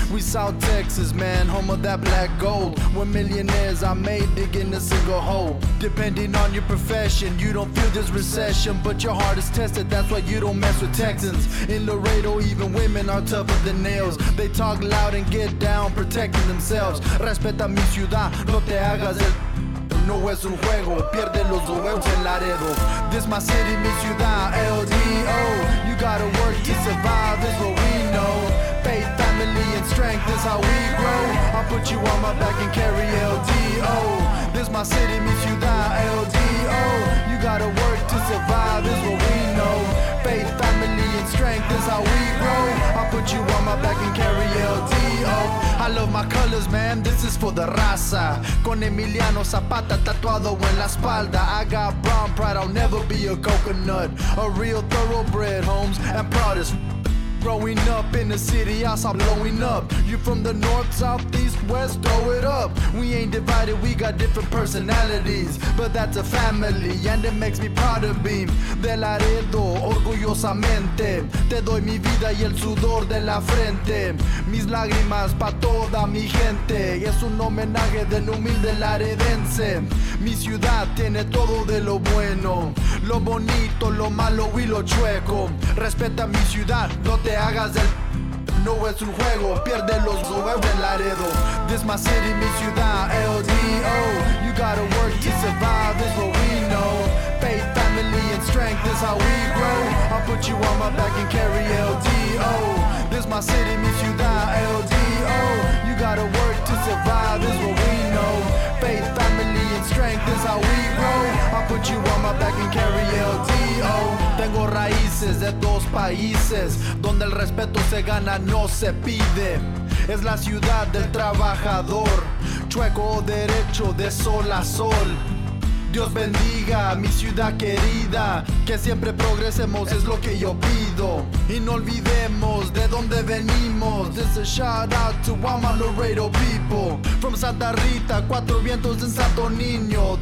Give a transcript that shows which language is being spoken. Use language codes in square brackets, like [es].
[en] We South Texas, man, home of that black gold. Where millionaires are made digging a single hole. Depending on your profession, you don't feel this recession. But your heart is tested, that's why you don't mess with Texans. In Laredo, even women are tougher the nails. They talk loud and get down, protecting themselves. [es] Respeta mi ciudad, no te hagas el. No es un juego, pierde los huevos en Laredo. [en] This my city, [es] mi ciudad, [en] LDO. You gotta work to survive, is what we know. Faith, family, and strength is how we grow. I'll put you on my back and carry LDO. This my city, [es] mi ciudad, [en] LDO. You gotta work to survive, is what we know. Faith, family, and strength is how we grow. I'll put you on my back and carry LDO. I love my colors, man, this is for the raza. [es] Con Emiliano Zapata tatuado en la espalda. [en] I got brown pride, I'll never be a coconut. A real thoroughbred, homes and proud as. Growing up in the city, I saw blowing up. You from the north, south, east, west, throw it up. We ain't divided, we got different personalities. But that's a family, and it makes me proud of being. [es] De Laredo, orgullosamente. Te doy mi vida y el sudor de la frente. Mis lágrimas pa' toda mi gente. Es un homenaje del humilde laredense. Mi ciudad tiene todo de lo bueno. Lo bonito, lo malo y lo chueco. Respeta mi ciudad, no te hagas el. No es un juego, pierde los huevos en Laredo. [en] This my city, [es] mi ciudad, [en] LDO. You gotta work to survive, is what we know. Faith, family, and strength is how we grow. I'll put you on my back and carry LDO. This my city, [es] mi ciudad, [en] LDO. You gotta work to survive, is what we know. Faith, family, and strength is how we grow. I'll put you on my back and carry LDO. [es] Tengo raíces de dos países, donde el respeto se gana, no se pide. Es la ciudad del trabajador, chueco o derecho, de sol a sol. Dios bendiga mi ciudad querida, que siempre progresemos, es lo que yo pido. Y no olvidemos de dónde venimos. [en] This is a shout out to all my Laredo people. [es] From Santa Rita, cuatro vientos en Santo Niño.